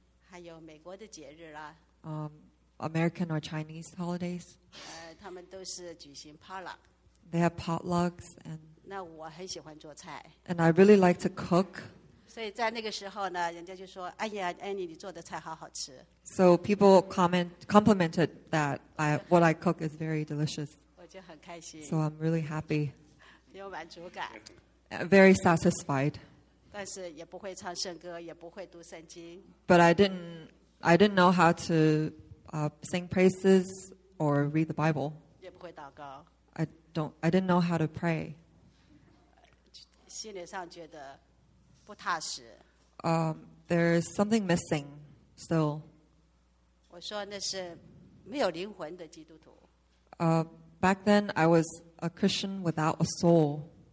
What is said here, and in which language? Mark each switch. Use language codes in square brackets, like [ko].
[zh] 还有美国的节日啦。 [en] American or Chinese holidays. [zh] 他们都是举行 potluck. [en] They have potlucks and. [zh] 那我很喜欢做菜。 [en] And I really like to cook. [zh] 所以在那个时候呢，人家就说：“哎呀 ，Annie， 你做的菜好好吃。” [en] So people complimented that what I cook is very delicious. [zh] 我就很开心。 [en] So I'm really happy. [zh] 有满足感。 [en] Very satisfied. [zh] 但是也不会唱圣歌，也不会读圣经。 [en] But I didn't know how to sing praises or read the Bible. [zh] 也不会祷告。 [en] I didn't know how to pray. [zh] 心理上觉得不踏实。 [en] There's something missing still. [zh] 我说那是没有灵魂的基督徒。 [en] Back then I was a Christian without a soul.